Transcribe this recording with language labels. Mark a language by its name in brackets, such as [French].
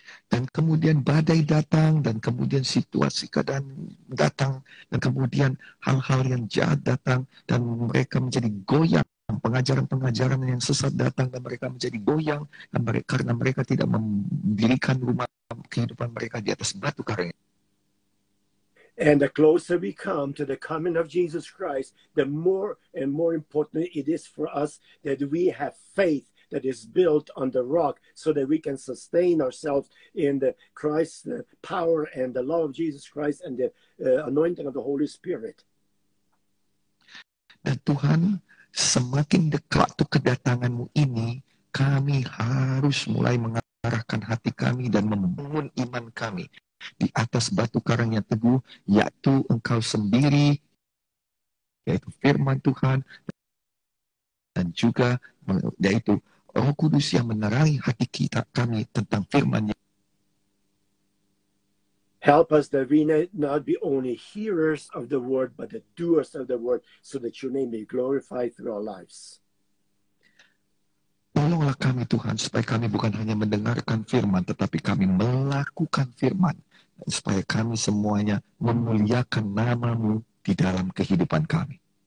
[Indonesian] Dan kemudian badai datang, dan kemudian situasi keadaan datang, dan kemudian hal-hal yang jahat datang, dan mereka menjadi goyang. Pengajaran-pengajaran yang sesat datang, dan mereka menjadi goyang, dan mereka, karena mereka tidak mendirikan rumah kehidupan mereka di atas batu karang. [English] And the closer we come to the coming of Jesus Christ, the more and more important it is for us that we have faith that is built on the rock, so that we can sustain ourselves in the Christ's power and the love of Jesus Christ and the anointing of the Holy Spirit. [Indonesian] Dan Tuhan, semakin dekat tuh kedatangan-Mu ini, kami harus mulai mengarahkan hati kami dan membangun iman kami di atas batu karang yang teguh, yaitu Engkau sendiri, yaitu firman Tuhan, dan juga yaitu Roh Kudus yang menerangi hati kita kami tentang firman-Nya. [English] Help us that we not be only hearers of the word, but the doers of the word, so that your name may be glorified through our lives. [Indonesian] Tolonglah kami Tuhan, supaya kami bukan hanya mendengarkan firman, tetapi kami melakukan firman, supaya kami semuanya memuliakan nama-Mu di dalam kehidupan kami.